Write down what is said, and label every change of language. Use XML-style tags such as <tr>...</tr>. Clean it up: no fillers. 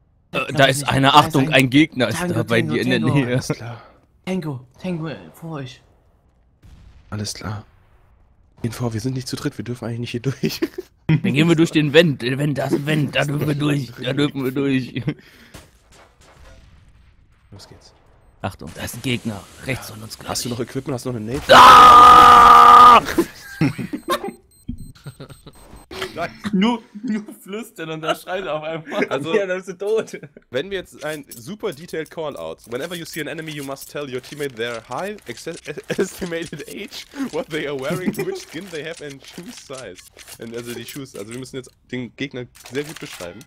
<de>da ist einer. Achtung, ein Gegner ist Tango, da bei dir in der Nähe. Alles klar. Tango, vor euch. Alles klar. Gehen vor, wir sind nicht zu dritt, wir dürfen eigentlich nicht hier durch. Dann gehen wir durch den Vent. Da dürfen wir durch. Los geht's. Achtung, da ist ein Gegner. Rechts von uns, glaube ich. Hast du noch Equipment? Hast du noch eine Nate? Ah! nur flüstern und da schreit er auf einmal. Also, ja, dann bist du tot. Wenn wir jetzt ein</de> <en>super detailed</en> <de>Call-Out.</de> <en>Whenever you see an enemy, you must tell your teammate their high estimated age, what they are wearing, which skin they have and shoe size.</en> <de>And also die Shoes. Also wir müssen jetzt den Gegner sehr gut beschreiben.</de>